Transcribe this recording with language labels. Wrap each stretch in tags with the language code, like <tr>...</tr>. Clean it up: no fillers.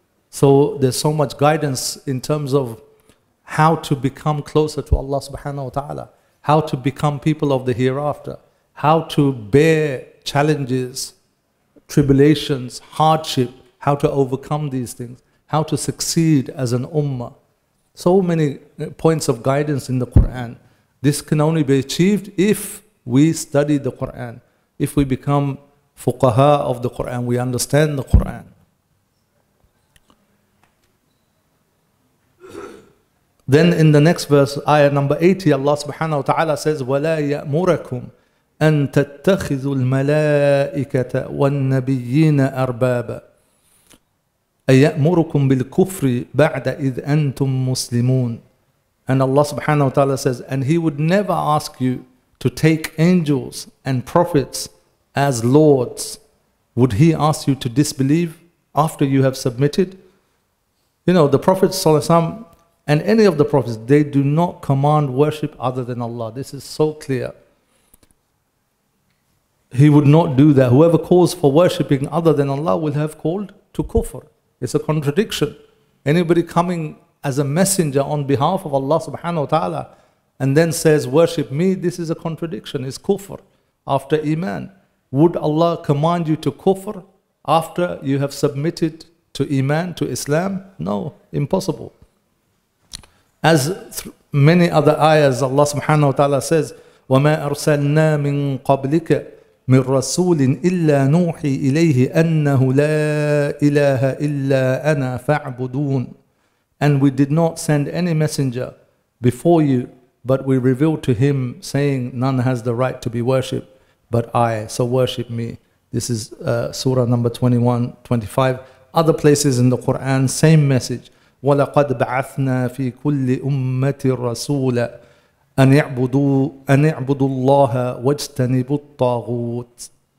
<en>So there's so much guidance in terms of how to become closer to Allah subhanahu wa ta'ala, how to become people of the hereafter, how to bear challenges, tribulations, hardship, how to overcome these things, how to succeed as an ummah. So many points of guidance in the Qur'an. This can only be achieved if we study the Qur'an, if we become fuqaha of the Qur'an, we understand the Qur'an. Then in the next verse, ayah number 80, Allah subhanahu wa ta'ala says,</en> <ar>وَلَا يَأْمُرَكُمْ أَن تَتَّخِذُوا الْمَلَائِكَةَ وَالنَّبِيِّينَ أَرْبَابًا أَيَأْمُرُكُمْ بِالْكُفْرِ بَعْدَ إِذْ أَنْتُمْ مُسْلِمُونَ.</ar> <en>And Allah subhanahu wa ta'ala says, and He would never ask you to take angels and prophets as lords. Would He ask you to disbelieve after you have submitted? You know, the Prophet sallallahu alaihi wasallam and any of the prophets, they do not command worship other than Allah. This is so clear. He would not do that. Whoever calls for worshipping other than Allah will have called to kufr. It's a contradiction. Anybody coming as a messenger on behalf of Allah subhanahu wa ta'ala and then says, worship me, this is a contradiction. It's kufr after iman. Would Allah command you to kufr after you have submitted to iman, to Islam? No, impossible. As many other ayahs, Allah subhanahu wa ta'ala says,</en> <ar>وَمَا أَرْسَلْنَا مِن قَبْلِكَ مِن رَسُولٍ إِلَّا نُوحِي إِلَيْهِ أَنَّهُ لَا إِلَٰهَ إِلَّا أَنَا فَاعْبُدُونَ.</ar> <en>And we did not send any messenger before you, but we revealed to him saying, none has the right to be worshipped but I, so worship me. This is Surah number 21-25. Other places in the Quran, same message.</en> <ar>وَلَقَدْ بَعَثْنَا فِي كُلِّ أُمَّةٍ رَسُولًا أَنِعْبُدُوا اللَّهَ وَاجْتَنِبُوا الطَّاغُوتِ.</ar>